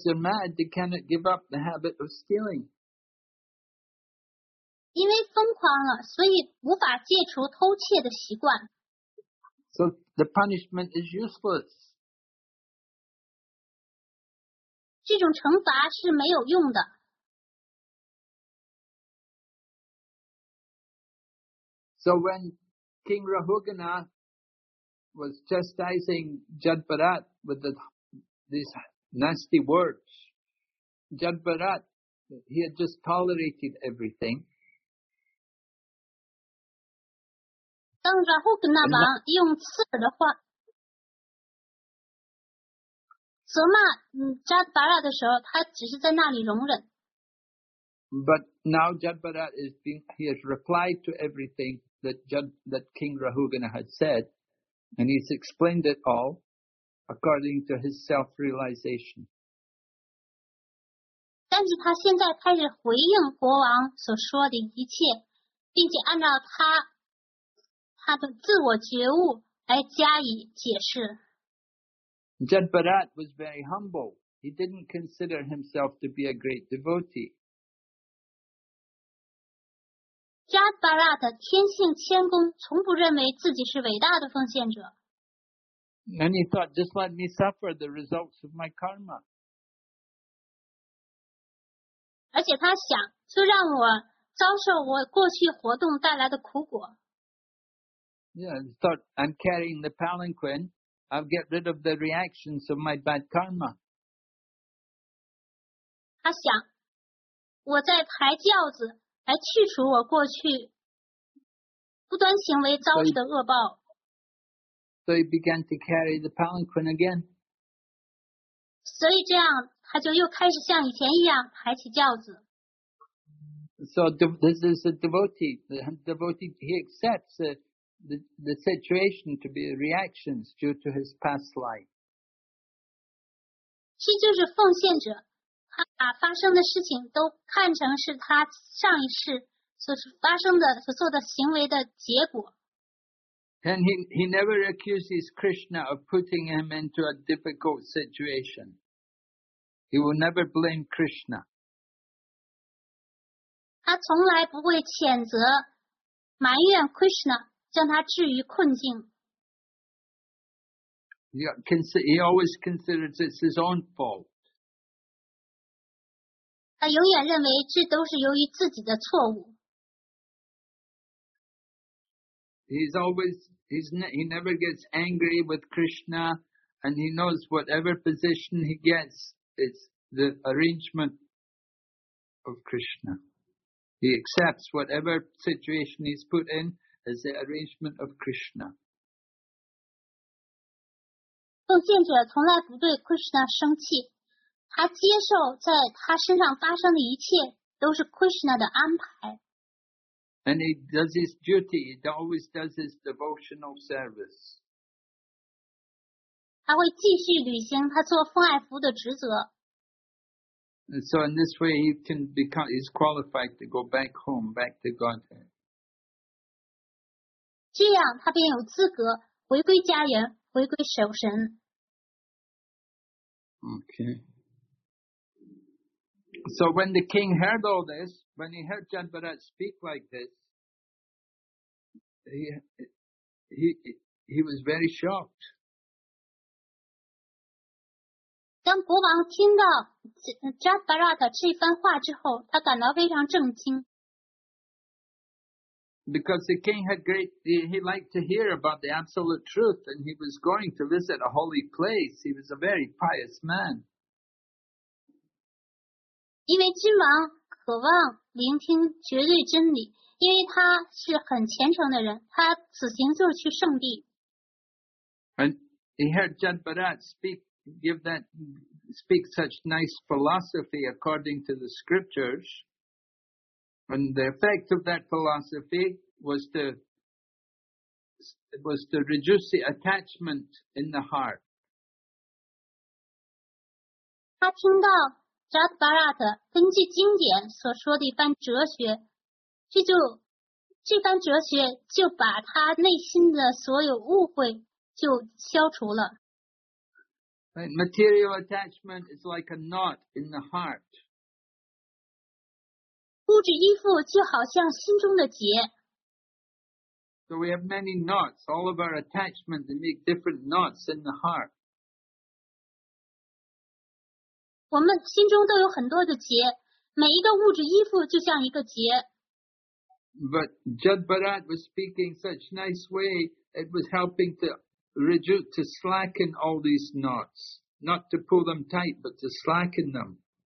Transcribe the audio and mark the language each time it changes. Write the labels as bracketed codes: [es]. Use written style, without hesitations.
[en] they're mad, they cannot give up the habit of stealing. [zh] 因为疯狂了，所以无法戒除偷窃的习惯。 [en] So the punishment is useless. [zh] 这种惩罚是没有用的。 [en] So when King Rahugana was chastising Jadbarat with these nasty words. Jadbarat, he had just tolerated everything. [zh] 当然后跟那王用刺耳的话责骂Jadbarat的时候他只是在那里容忍。 [en] But now Jadbarat is being, he has replied to everything that King Rahugana had said, and he's explained it all according to his self-realization. [zh] 但是他现在开始回应国王所说的一切，并且按照他的自我觉悟来加以解释。 [en] Jadbarat was very humble. He didn't consider himself to be a great devotee. [zh] Jadbarat 天性谦恭，从不认为自己是伟大的奉献者。 [en] And he thought, just let me suffer the results of my karma. [zh] 而且他想，就让我遭受我过去活动带来的苦果。 [en] Yeah, he thought, I'm carrying the palanquin, I'll get rid of the reactions of my bad karma. [zh] 他想，我在抬轿子来去除我过去不端行为遭遇的恶报。 [en] So he began to carry the palanquin again. [zh] 所以这样他就又开始像以前一样抬起轿子。 [en] So this is a devotee. He accepts the situation to be reactions due to his past life. [zh] 这就是奉献者。他把发生的事情都看成是他上一世所发生的所做的行为的结果。 [en] And he never accuses Krishna of putting him into a difficult situation. He will never blame Krishna. [zh] 他从来不会谴责埋怨 Krishna 将他置于困境。 [en] He always considers it's his own fault. [zh] 他永远认为这都是由于自己的错误。 [en] He never gets angry with Krishna, and he knows whatever position he gets, it's the arrangement of Krishna. He accepts whatever situation he's put in as the arrangement of Krishna. [zh] 奉献者从来不对 Krishna 生气。他接受在他身上发生的一切都是 Krishna 的安排。 [en] And he does his duty, he always does his devotional service. [zh] 他会继续履行他做奉爱服的职责。 [en] And so in this way he can become, he's qualified to go back home, back to Godhead. [zh] 这样他便有资格回归家园，回归守神。 [en] Okay. So when the king heard all this, when he heard Jadbarat speak like this, he was very shocked. [zh] 当国王听到 Jadbarat 这番话之后，他感到非常震惊。 [en] Because the king had great, he liked to hear about the absolute truth, and he was going to visit a holy place. He was a very pious man. [zh] 因为君王渴望聆听绝对真理，因为他是很虔诚的人，他此行就是去圣地。 [en] And he heard Jadbarat speak such nice philosophy according to the scriptures, and the effect of that philosophy was to reduce the attachment in the heart. [zh] 他听到Jadbarat 根据经典所说的一番哲学，这番哲学就把他内心的所有误会就消除了。 [en] Right, material attachment is like a knot in the heart. [zh] 物质依附就好像心中的结。 [en] So we have many knots, all of our attachment, they make different knots in the heart. [zh] 我们心中都有很多的结，每一个物质依附就像一个结。 [en] But Jadbarat was speaking such nice way, it was helping to reduce, to slacken all these knots. Not to pull them tight, but to slacken them.